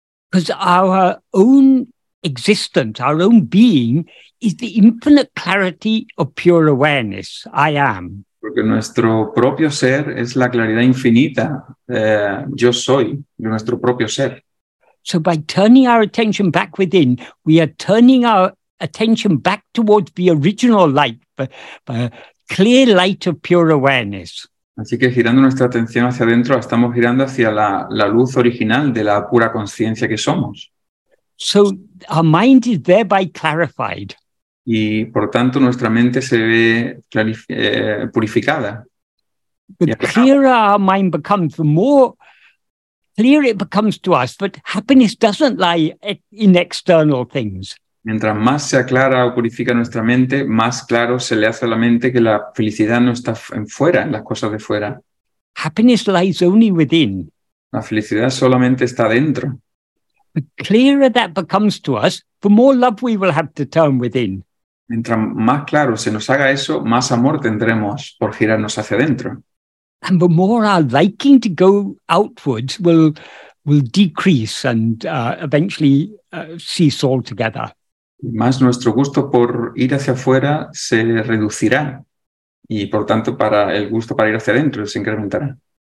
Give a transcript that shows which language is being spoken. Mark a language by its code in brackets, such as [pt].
[en] Because our own existence, our own being, is the infinite clarity of pure awareness, I am. [es] Porque nuestro propio ser es la claridad infinita, yo soy, de nuestro propio ser. [en] So by turning our attention back within, we are turning our attention back towards the original light, the clear light of pure awareness. [es] Así que girando nuestra atención hacia adentro, estamos girando hacia la luz original de la pura conciencia que somos. [en] So our mind is thereby clarified. [es] Y por tanto nuestra mente se ve purificada. [en] The clearer our mind becomes, the more clear it becomes to us that happiness doesn't lie in external things. [es] Mientras más se aclara o purifica nuestra mente, más claro se le hace a la mente que la felicidad no está en fuera, en las cosas de fuera. [en] Happiness lies only within. [es] La felicidad solamente está dentro. [en] The clearer that becomes to us, the more love we will have to turn within. [es] Mientras más claro se nos haga eso, más amor tendremos por girarnos hacia adentro. [en] And the more our liking to go outwards will decrease and eventually cease altogether. [es] Más nuestro gusto por ir hacia afuera se reducirá y por tanto para el gusto para ir hacia adentro se incrementará.